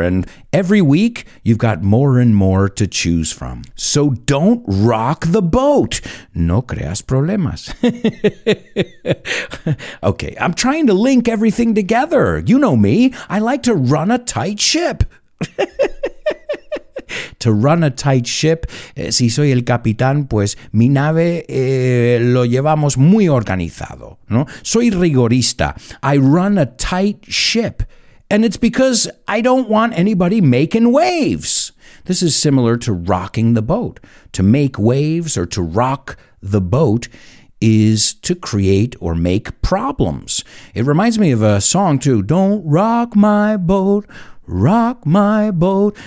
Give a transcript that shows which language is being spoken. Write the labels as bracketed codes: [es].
[en] And every week, you've got more and more to choose from. So don't rock the boat. [es] No creas problemas. [en] Okay, I'm trying to link everything together. You know me. I like to run a tight ship. to run a tight ship. [es] Si soy el capitán, pues mi nave lo llevamos muy organizado, ¿no? Soy rigorista. [en] I run a tight ship. And it's because I don't want anybody making waves. This is similar to rocking the boat. To make waves or to rock the boat is to create or make problems. It reminds me of a song too. Don't rock my boat, rock my boat.